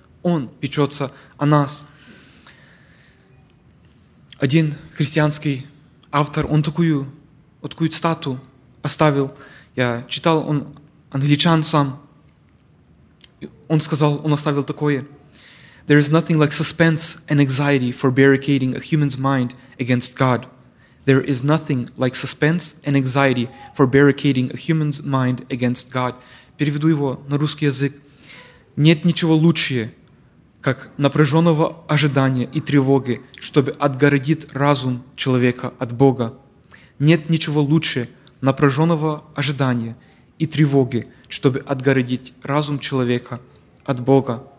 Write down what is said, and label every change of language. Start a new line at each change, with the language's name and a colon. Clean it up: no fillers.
Russian: Он печется о нас. Один христианский автор, он такую цитату оставил. Я читал, он англичан сам, он сказал, он оставил такое.
English: There is nothing like suspense and anxiety for barricading a human's mind against God. There is nothing like suspense and anxiety for barricading a human's mind against God.
Russian: Переведу его на русский язык. Нет ничего лучше, как напряженного ожидания и тревоги, чтобы отгородить разум человека от Бога. Нет ничего лучше напряженного ожидания и тревоги, чтобы отгородить разум человека от Бога.